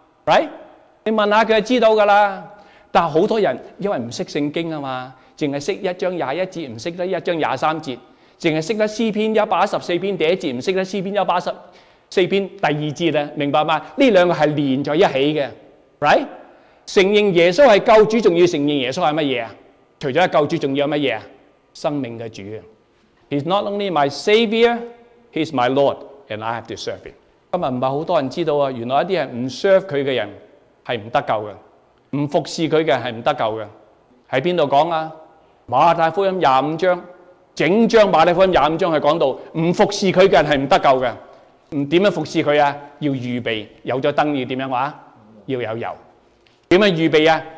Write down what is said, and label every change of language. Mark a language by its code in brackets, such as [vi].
[en] Right？ [zh] 你问一下他就知道的了。但很多人因为不懂圣经嘛，只懂一章二十一节，不懂得一章二十三节，只懂得诗篇一百一十四篇第一节，不懂得诗篇一百一十四篇第二节啊。明白吗？这两个是连在一起的。 [en] Right？ [zh] 承认耶稣是救主，还要承认耶稣是什么？除了救主还要什么？生命的主。 [en] He's not only my savior，He's my Lord, and I have to serve him. [zh] 今天不是很多人知道，原来一些不 serve 他的人是不得救的，不服侍他的人是不得救的。在哪里讲啊？马太福音25章，整章马太福音25章是讲到不服侍他的人是不得救的。怎样服侍他啊？要预备，有了灯要怎样啊？要有油。怎样预备啊？